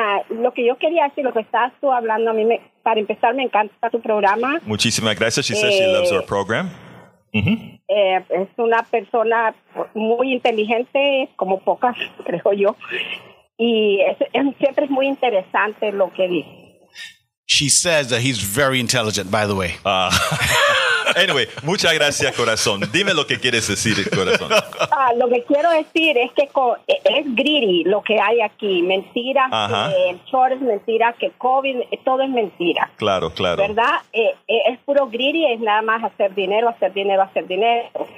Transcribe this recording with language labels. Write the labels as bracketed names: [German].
[Spanish] Lo que yo quería decir, lo que estás tú hablando, a mí me, para empezar, me encanta tu programa. Muchísimas gracias. [English] She says she loves our program. Mm-hmm. [Spanish] Es una persona muy inteligente, como pocas, creo yo. Y es, siempre es muy interesante lo que dice. [English] She says that he's very intelligent, by the way. Anyway, [Spanish] muchas gracias, corazón. Dime lo que quieres decir, corazón. Lo que quiero decir es que es greedy lo que hay aquí. Mentira, uh-huh. El short es mentira, que COVID, todo es mentira. Claro, claro. ¿Verdad? Es puro greedy, es nada más hacer dinero, hacer dinero, hacer dinero.